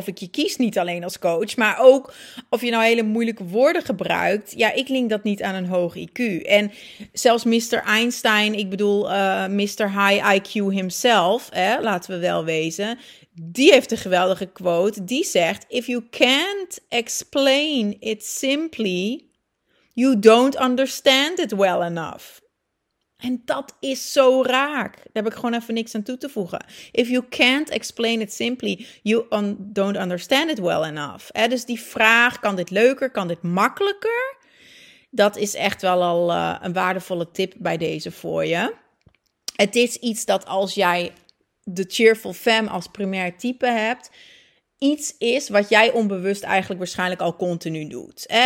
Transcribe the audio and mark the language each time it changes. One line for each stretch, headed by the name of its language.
Dutch: Of ik je kies niet alleen als coach, maar ook of je nou hele moeilijke woorden gebruikt. Ja, ik link dat niet aan een hoog IQ. En zelfs Mr. Einstein, ik bedoel
English: Mr. High IQ himself,
Dutch: hè, laten we wel wezen. Die heeft een geweldige quote. Die zegt,
English: if you can't explain it simply, you don't understand it well enough.
Dutch: En dat is zo raak. Daar heb ik gewoon even niks aan toe te voegen.
English: If you can't explain it simply, you don't understand it well enough.
Dutch: Hè? Dus die vraag, kan dit leuker, kan dit makkelijker? Dat is echt wel al een waardevolle tip bij deze voor je. Het is iets dat als jij de Cheerful Femme als primair type hebt, iets is wat jij onbewust eigenlijk waarschijnlijk al continu doet.